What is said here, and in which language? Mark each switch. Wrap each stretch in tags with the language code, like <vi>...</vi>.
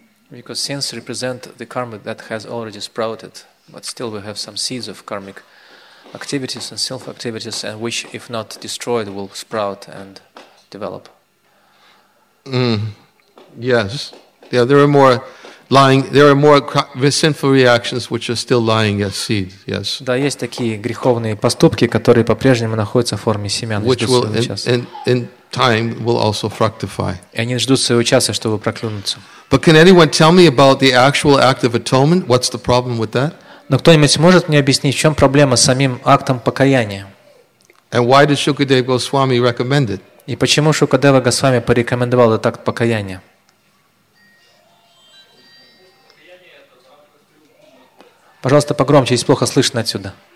<en>Because sins represent the karma that has already sprouted, but still we have some seeds of karmic activities and self-activities, and which, if not destroyed, will sprout and develop. Yes. Yeah, there are more lying. There are more sinful reactions which are still lying as seeds. Yes.</en> <ru>Да, есть такие греховные поступки, которые по-прежнему находятся в форме семян.</ru> <en>Which will in time will also fructify.</en> <ru>И они ждут своего часа, чтобы проклюнуться.</ru> <en>But can anyone tell me about the actual act of atonement? What's the problem with that?</en> <ru>Но кто-нибудь может мне объяснить, в чем проблема с самим актом покаяния?</ru> <en>And why did Shukadeva Goswami recommend it?</en> <ru>И почему Шукадева Госвами порекомендовал этот акт покаяния? Пожалуйста, погромче, если плохо слышно отсюда.</ru>